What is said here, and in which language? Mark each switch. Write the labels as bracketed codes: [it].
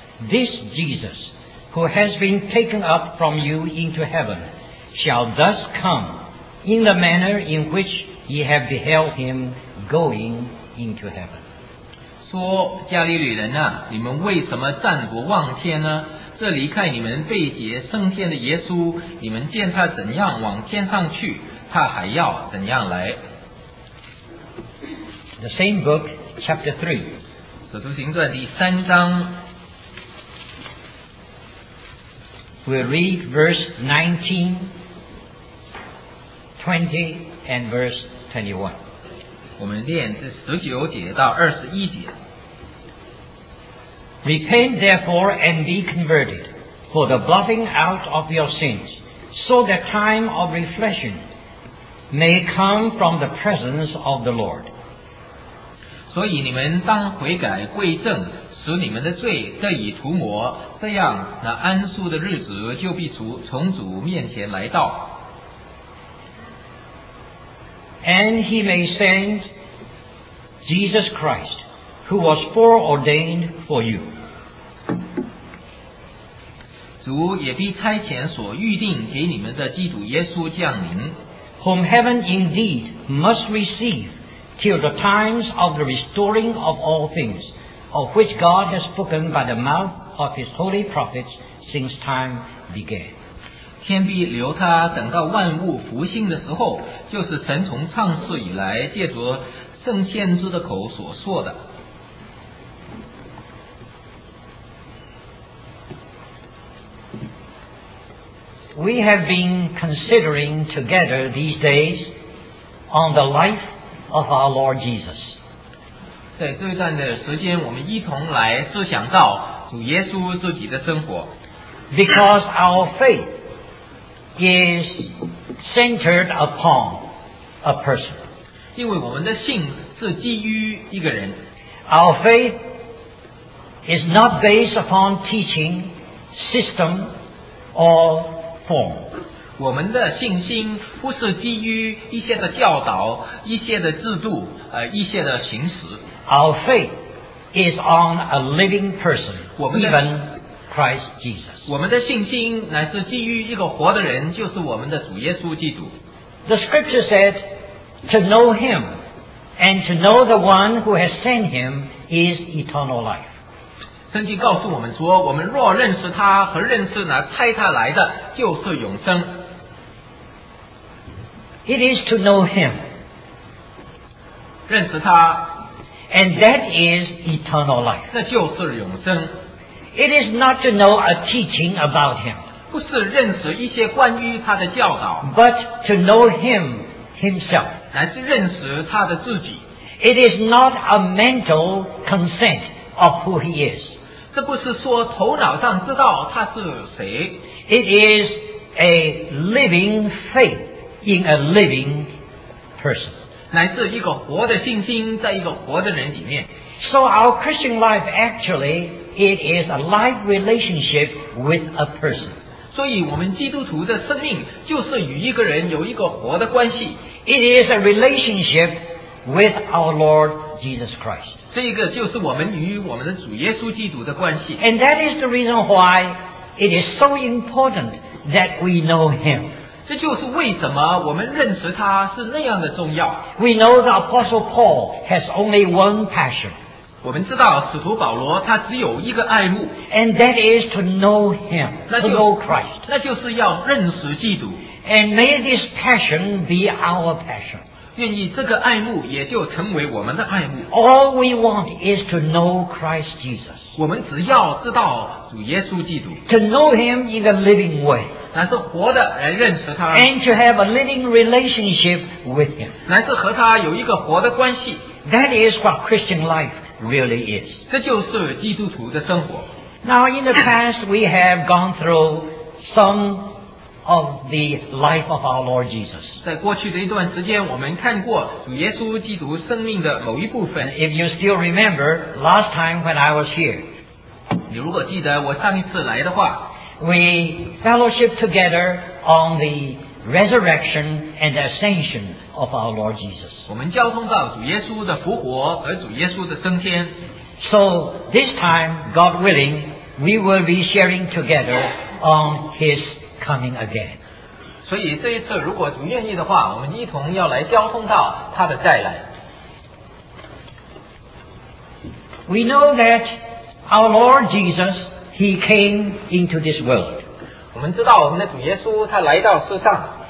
[en] This Jesus, who has been taken up from you into heaven, shall thus come in the manner in which ye have beheld him going into heaven. [zh] 说加利利人啊，你们为什么站着望天呢？这离开你们被劫升天的耶稣，你们见他怎样往天上去，他还要怎样来。 [en] The same book, chapter 3. [zh] 使徒行传第三章。 [en] We'll read verse 19, 20, and verse 21. [zh] 我们念这十九节到二十一节。 [en] Repent therefore and be converted, for the blotting out of your sins, so that time of reflection may come from the presence of the Lord. [zh] 所以你们当悔改归正，使你们的罪得以涂抹，这样那安舒的日子就必从主面前来到。 [en] And he may send Jesus Christ, who was foreordained for you. [zh] 主也必差遣所预定给你们的基督耶稣降临。 [en] Whom heaven indeed must receive till the times of the restoring of all things, of which God has spoken by the mouth of his holy prophets since time began. [zh] 天必留他等到万物复兴的时候，就是神从创世以来借着圣先知的口所说的。 [en] We have been considering together these days on the life of our Lord Jesus. [zh] 在这段的时间，我们一同来思想到主耶稣自己的生活。 [en] Because our faith is centered upon a person. [zh] 因为我们的信是基于一个人。 [en] Our faith is not based upon teaching, system, or form. [zh] 我们的信心不是基于一些的教导、一些的制度、一些的形式。 [en] Our faith is on a living person, even Christ Jesus. [zh] 我们的信心乃是基于一个活的人，就是我们的主耶稣基督。 [en] The scripture said, to know him and to know the one who has sent him is eternal life. [zh] 圣经告诉我们说，我们若认识他和认识那差他来的，就是永生。 [en] It is to know him. [zh] 认识他。 [en] And that is eternal life. [zh] 那就是永生。 [en] It is not to know a teaching about him. [zh] 不是认识一些关于他的教导。 [en] But to know him himself. [zh] 乃是认识他的自己。 [en] It is not a mental consent of who he is. [zh] 这不是说头脑上知道他是谁。 [en] It is a living faith. In a living person. [zh] 乃是一个活的信心在一个活的人里面。 [en] So our Christian life actually, it is a life relationship with a person. [zh] 所以我们基督徒的生命就是与一个人有一个活的关系。 [en] It is a relationship with our Lord Jesus Christ. [zh] 这个就是我们与我们的主耶稣基督的关系。 [en] And that is the reason why it is so important that we know him. [zh] 这就是为什么我们认识他是那样的重要。 [en] We know the Apostle Paul has only one passion. [zh] 我们知道使徒保罗他只有一个爱慕。 [en] And that is to know him, to know Christ. [zh] 那就是要认识基督。 [en] And may this passion be our passion. [zh] 愿意这个爱慕也就成为我们的爱慕。 [en] All we want is to know Christ Jesus. [zh] 我们只要知道主耶稣基督。 [en] To know him in a living way. [zh] 乃是活的来认识他。 [en] And to have a living relationship with him. [zh] 乃是和他有一个活的关系。 [en] That is what Christian life really is. [zh] 这就是基督徒的生活。 [en] Now in the past we have gone through some of the life of our Lord Jesus. [zh] 在过去的一段时间我们看过主耶稣基督生命的某一部分。 [en] If you still remember, last time when I was here, [zh] 你如果记得我上一次来的话, [en] we fellowship together on the resurrection and ascension of our Lord Jesus. [zh] 我们交通到主耶稣的复活和主耶稣的升天。 [en] So this time, God willing, we will be sharing together on His coming again. [zh] 所以这一次如果主愿意的话，我们一同要来交通到他的再来。 [en] We know that our Lord Jesus, He came into this world. [zh] 我们知道我们的主耶稣他来到世上。